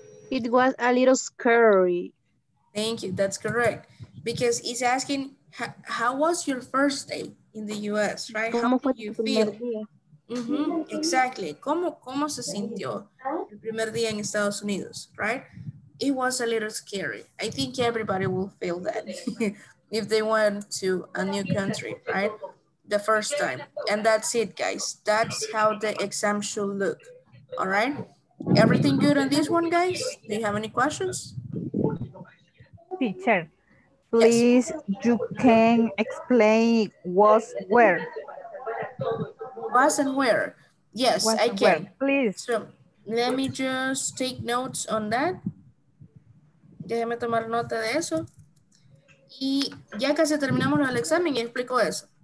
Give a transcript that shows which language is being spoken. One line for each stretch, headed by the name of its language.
English: It was a little scary. Thank you, that's correct. Because it's asking, how was your first day in the US, right?
Spanish: ¿Cómo
English: how did you feel? Mm-hmm.
Spanish: Exactly, ¿Cómo se sintió el primer día en Estados Unidos, right?
English: It was a little scary. I think everybody will feel that if they went to a new country, right? The first time, and that's it, guys. That's how the exam should look, all right? Everything good on this one, guys? Do you have any questions? Teacher, please, yes. You can explain was where. Was and where. Yes, was I can. Where, please. So let me just take notes on that.
Spanish: Déjame tomar nota de eso. Y ya casi terminamos el examen y explico eso.